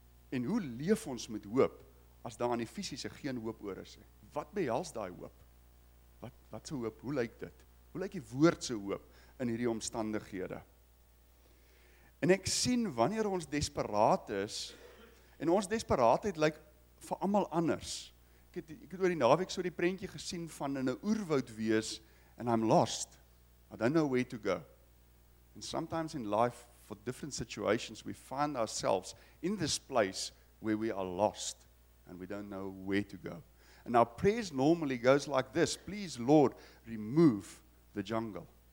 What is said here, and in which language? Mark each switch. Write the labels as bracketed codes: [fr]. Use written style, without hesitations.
[af] En hoe leef ons met hoop as daar aan die fisiese geen hoop oor is? Wat behels daai hoop? Wat se hoop? Hoe lyk dit? Hoe lyk die woord se hoop in hierdie omstandighede? En ek sien wanneer ons desperaat is, en ons desperaatheid lyk vir almal anders. Ek het oor die naweek so die prentjie gesien van in 'n oerwoud wees, [en] and I'm lost. I don't know where to go. And sometimes in life, for different situations, we find ourselves in this place where we are lost and we don't know where to go. And our prayers normally goes like this, please Lord, remove the jungle.